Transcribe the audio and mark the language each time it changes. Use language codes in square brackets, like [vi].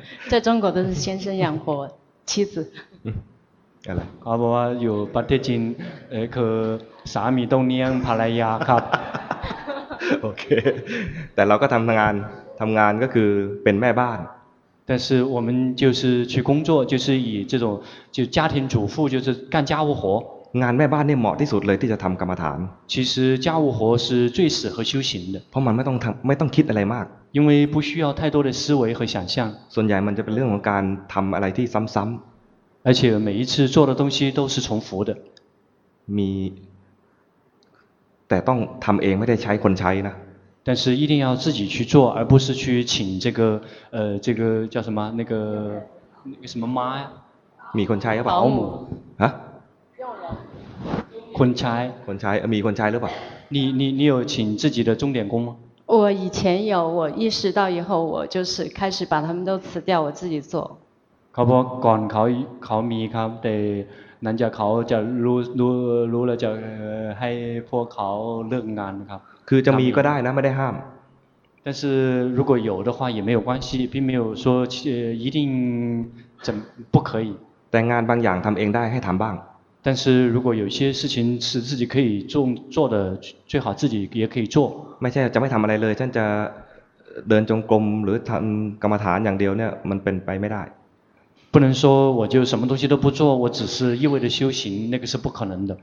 [zh] 在中国都是先生养活妻子 [th] ครับว่าอยู่ประเทศจีนคือสามีต้องเลี้ยงภรรยาครับ โอเคแต่เราก็ทำงานก็คือเป็นแม่บ้าน [zh] 但是我们就是去工作就是以这种就家庭主妇就是干家务活 [th] งานแม่บ้านเนี่ยเหมาะที่สุดเลยที่จะทำกรรมฐาน [zh] 其实家务活是最适合修行的 [th] เพราะมันไม่ต้องคิดอะไรมาก [zh] 因为不需要太多的思维和想象 [th] ส่วนใหญ่มันจะเป็นเรื่องของการทำอะไรที่ซ้ำๆ [zh] 而且每一次做的东西都是重复的 [th] มีแต่ต้องทำเองไม่ได้ใช้คนใช้นะ [zh] 但是一定要自己去做而不是去请这个这个叫什么那个什么妈呀 [th] มีคนใช้หรือเปล่า เอาหมู ฮะ คนใช้ มีคนใช้หรือเปล่า [zh] 你有请自己的钟点工吗我以前有我意识到以后我就是开始把他们都辞掉我自己做 [th] เขาบอกก่อนเขามีครับแต่นั้นจะเขาจะรู้แล้วจะให้พวกเขาเลิกงานครับ คือจะมีก็ได้นะไม่ได้ห้าม [zh] 但是如果有的话也没有关系并没有说一定怎不可以 [th] แต่งานบางอย่างทำเองได้ให้ทำบ้าง [zh] 但是如果有些事情是自己可以做的最好自己也可以做 [th] ไม่ใช่จะไม่ทำอะไรเลยฉันจะเดินจงกรมหรือทำกรรมฐานอย่างเดียวเนี่ยมันเป็นไปไม่ได้ [zh] 不能说我就什么东西都不做我只是一味的修行那个是不可能的